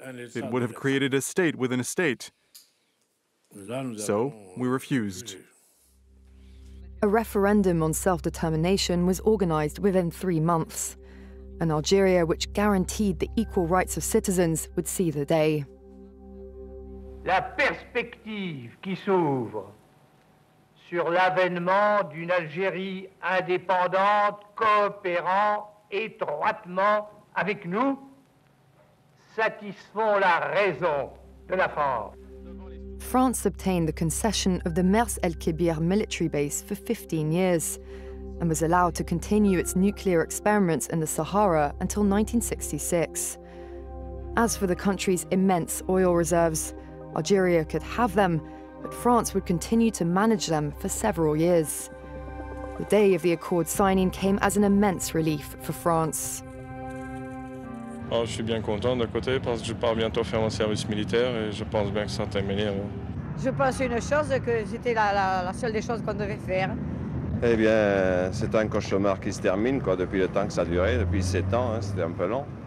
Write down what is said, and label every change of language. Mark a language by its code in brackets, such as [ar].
[en] It would have created a state within a state. So we refused. A referendum on self-determination was organized within 3 months. An Algeria which guaranteed the equal rights of citizens would see the day. [fr] La perspective qui s'ouvre sur l'avènement d'une Algérie indépendante coopérant étroitement avec nous satisfont la raison de la France. [en] France obtained the concession of the Mers el-Kébir military base for 15 years and was allowed to continue its nuclear experiments in the Sahara until 1966. As for the country's immense oil reserves, Algeria could have them but France would continue to manage them for several years. The day of the accord signing came as an immense relief for France. [fr] Oh, je suis bien content d'un côté parce que je pars bientôt faire mon service militaire et je pense bien que ça terminera. Je pense une chose que c'était la seule des choses qu'on devait faire. Eh bien, c'est un cauchemar qui se termine quoi, depuis le temps que ça durait, depuis 7 ans, hein, c'était un peu long.